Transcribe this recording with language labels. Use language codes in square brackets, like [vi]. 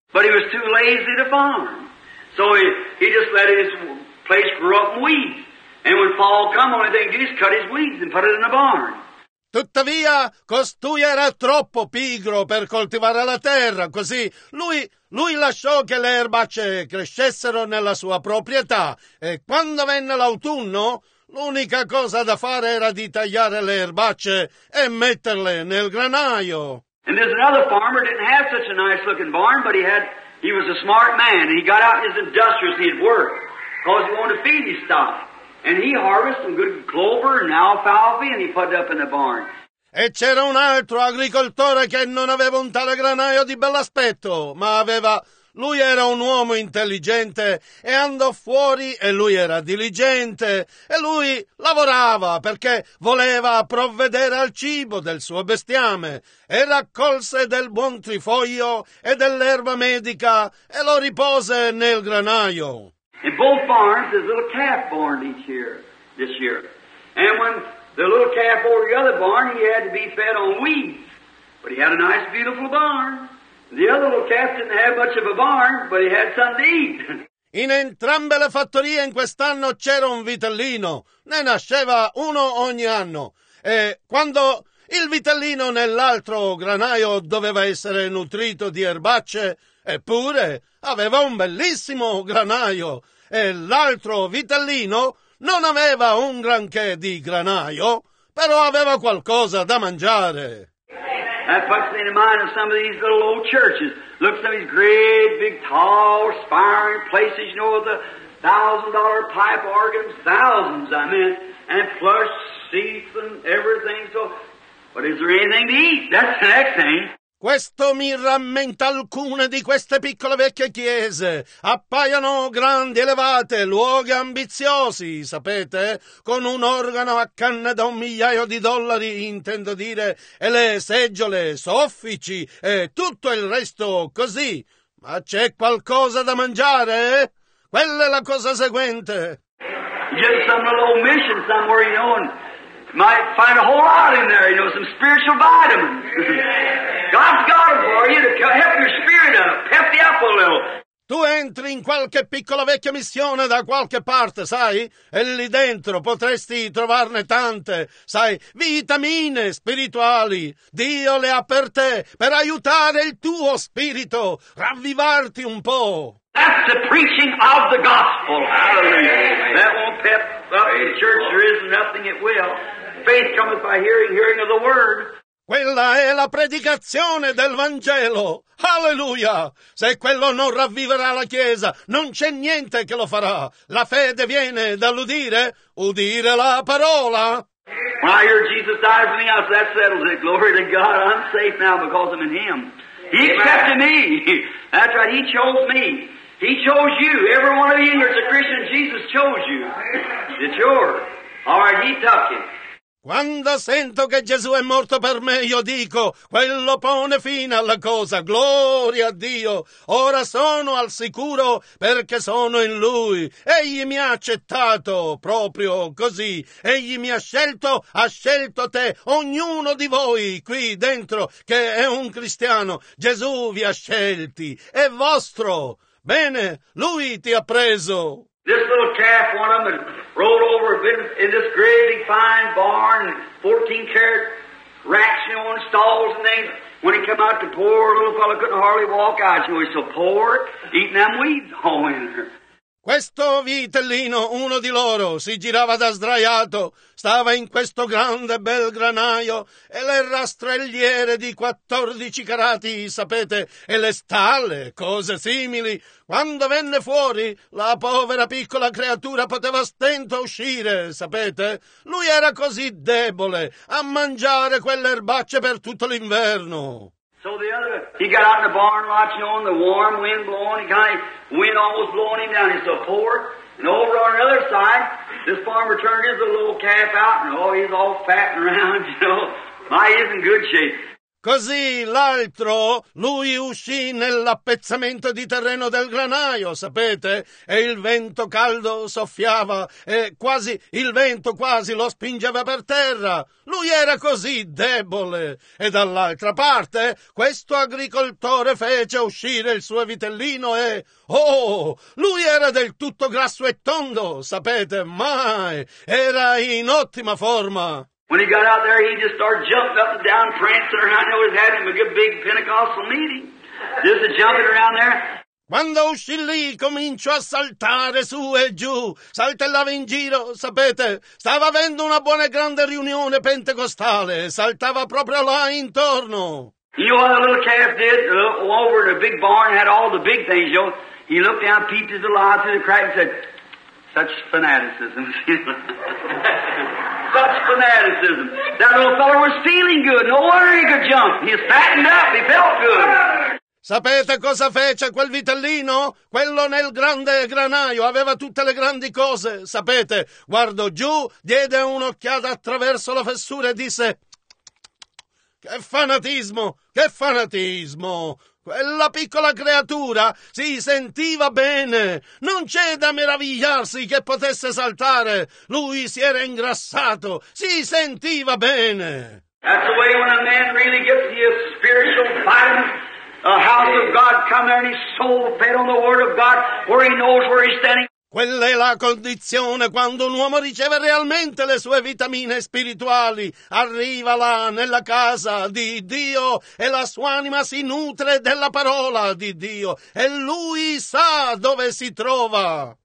[en] But he was too lazy to farm. So he just let his place grow up in weeds. And when fall come, only thing he did is cut his weeds and put it in a barn. [it] Tuttavia, costui era troppo pigro per coltivare la terra, così lui lasciò che le erbacce crescessero nella sua proprietà e quando venne l'autunno, l'unica cosa da fare era di tagliare le erbacce e metterle nel granaio. [en] And there's another farmer didn't have such a nice looking barn, but he was a smart man and he got out his industrious and he'd work because he wanted to feed his stock. And he harvested some good clover and alfalfa and he put it up in the barn. [it] E c'era un altro agricoltore che non aveva un tale granaio di bell'aspetto, ma aveva. Lui era un uomo intelligente e andò fuori e lui era diligente e lui lavorava perché voleva provvedere al cibo del suo bestiame e raccolse del buon trifoglio e dell'erba medica e lo ripose nel granaio. [en] In both farms, there's a little calf born each year, this year. And when the little calf over the other barn, he had to be fed on weeds. But he had a nice, beautiful barn. The other little calf didn't have much of a barn, but he had something to eat. [it] In entrambe le fattorie in quest'anno c'era un vitellino. Ne nasceva uno ogni anno. E quando il vitellino nell'altro granaio doveva essere nutrito di erbacce, eppure aveva un bellissimo granaio e l'altro vitellino non aveva un granché di granaio, però aveva qualcosa da mangiare. [en] That puts me in mind of some of these little old churches. Look at some of these great, big, tall, spiring places, you know, with the $1,000 pipe organs, thousands, I mean, and plush seats and everything. So, but is there anything to eat? That's the next thing. [it] Questo mi rammenta alcune di queste piccole vecchie chiese. Appaiono grandi, elevate, luoghi ambiziosi, sapete? Con un organo a canne da un migliaio di dollari, intendo dire, e le seggiole, soffici, e tutto il resto così. Ma c'è qualcosa da mangiare? Quella è la cosa seguente. [en] Get some little old mission somewhere, you know, and might find a whole lot in there, you know, some spiritual vitamins. God's got it for you to help your spirit up, pep you up a little. [it] Tu entri in qualche piccola vecchia missione da qualche parte, sai? E lì dentro potresti trovarne tante, sai, vitamine spirituali. Dio le ha per te, per aiutare il tuo spirito, ravvivarti un po'. [en] That's the preaching of the gospel. Hallelujah. That won't pep up the church, there is nothing it will. Faith cometh by hearing, hearing of the word. [it] Quella è la predicazione del Vangelo. Alleluia! Se quello non ravviverà la Chiesa, non c'è niente che lo farà. La fede viene dall'udire, udire la parola. [en] When I hear Jesus died for me, I said, that settles it. Glory to God, I'm safe now because I'm in Him. He accepted me. That's right, He chose me. He chose you. Every one of you here is a Christian. Jesus chose you. It's yours. All right, He took it. [it] Quando sento che Gesù è morto per me, io dico, quello pone fine alla cosa, gloria a Dio. Ora sono al sicuro perché sono in Lui. Egli mi ha accettato proprio così. Egli mi ha scelto te, ognuno di voi qui dentro che è un cristiano. Gesù vi ha scelti, è vostro. Bene, Lui ti ha preso. [en] This little calf, one of them, had rolled over in this great big fine barn, 14 carat racks, you know, and stalls and things. When he came out, the poor little fellow couldn't hardly walk out. He was so poor, eating them weeds all in there. [it] Questo vitellino, uno di loro, si girava da sdraiato, stava in questo grande bel granaio, e le rastrelliere di 14 carati, sapete, e le stalle, cose simili. Quando venne fuori, la povera piccola creatura poteva stento uscire, sapete? Lui era così debole a mangiare quelle erbacce per tutto l'inverno. [en] So the other, he got out in the barn lot, you know, and the warm wind blowing, wind almost blowing him down. He's so poor. And over on the other side, this farmer turned his little calf out, and oh, he's all fat and round, you know. My, he's in good shape. [it] Così l'altro, lui uscì nell'appezzamento di terreno del granaio, sapete? E il vento caldo soffiava, e quasi il vento quasi lo spingeva per terra. Lui era così debole. E dall'altra parte, questo agricoltore fece uscire il suo vitellino e... Oh, lui era del tutto grasso e tondo, sapete? Mai! Era in ottima forma. [en] When he got out there, he just started jumping up and down, prancing around. I know he's having a good big Pentecostal meeting. Just jumping around there. [it] Quando uscì lì, cominciò a saltare su e giù, saltellava in giro, sapete, stava avendo una buona e grande riunione pentecostale, saltava proprio là intorno. [en] You know what the little calf did? Over in a big barn, had all the big things, you know. He looked down, peeped his little eye through the crack and said, such fanaticism. Such fanaticism. That little fellow was feeling good. No wonder he could jump. He was fattened up. He felt good. [it] Sapete cosa fece quel vitellino? Quello nel grande granaio aveva tutte le grandi cose, sapete? Guardò giù, diede un'occhiata attraverso la fessura e disse: che fanatismo! Che fanatismo! Quella piccola creatura si sentiva bene. Non c'è da meravigliarsi che potesse saltare. Lui si era ingrassato. Si sentiva bene. [en] That's the way when a man really gets to his spiritual vitamin, a house of God, come there and his soul fed on the word of God, where he knows where he's standing. [it] Quella è la condizione quando un uomo riceve realmente le sue vitamine spirituali. Arriva là nella casa di Dio e la sua anima si nutre della parola di Dio e lui sa dove si trova.